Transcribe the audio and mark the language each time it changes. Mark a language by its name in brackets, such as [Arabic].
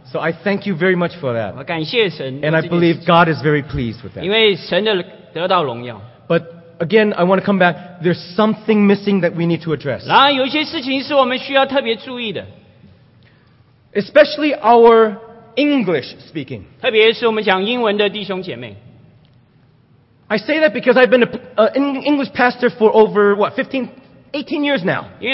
[English] So I thank you very much for that. [Chinese] 我感谢神。 [English] And I believe God is very pleased with that. [Chinese] 因为神的得到荣耀。 [English] But again, I want to come back. There's something missing that we need to address. [Chinese] 然后有一些事情是我们需要特别注意的。 [English] Especially our English speaking. [Chinese] 特别是我们讲英文的弟兄姐妹。 [English] I say that because I've been an English pastor for over, what, 15, 18 years now.